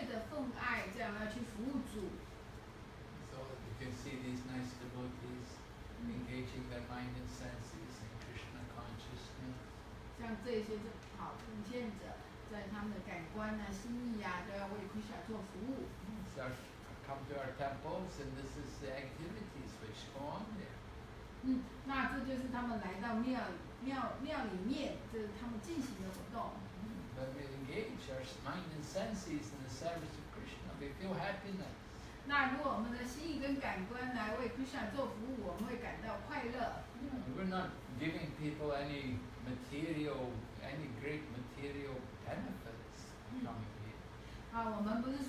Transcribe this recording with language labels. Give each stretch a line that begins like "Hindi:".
Chinese: 完全只是纯粹的奉爱，这样要去服务主。
English: You can see these nice devotees engaging their mind and senses in Krishna consciousness. So come to our temples and this is the activities which go on there.
Chinese: 那这就是他们来到庙里面，这是他们进行的活动。
English: But we engage our mind and senses in the service of Krishna, we feel happiness.
Chinese: 那如果我们的心意跟感官来为 Krishna 做服务，我们会感到快乐。
English: We're not giving people any material, any great material benefits from here.